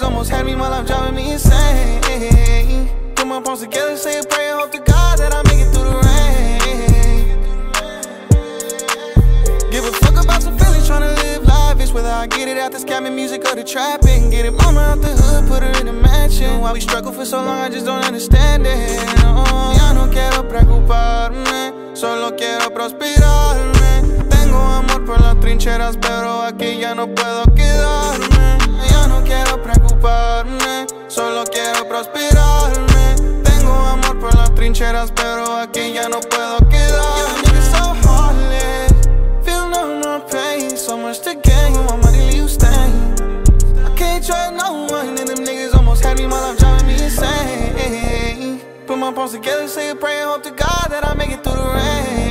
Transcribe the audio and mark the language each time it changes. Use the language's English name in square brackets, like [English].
[English] Had me, my life driving me insane. Put my palms together, say a prayer, hope to God that I make it through the rain. Give a fuck about some feelings, tryna live life. It's whether I get it out the scamming music or the trapping. Get it, mama out the hood, put her in a mansion. Why we struggle for so long, I just don't understand it. [Spanish] Ya no quiero preocuparme, solo quiero prosperarme. Tengo amor por las trincheras, pero aquí ya no puedo quedarme. Ya no quiero preocuparme, solo quiero prosperarme. Tengo amor por las trincheras, pero aquí ya no puedo quedarme. [English] Young niggas so heartless, feel no, no pain, so much to gain. With my money, leave stain. I can't trust no one, and them niggas almost had me. My life driving me insane. Put my palms together, say a prayer, hope to God that I make it through the rain.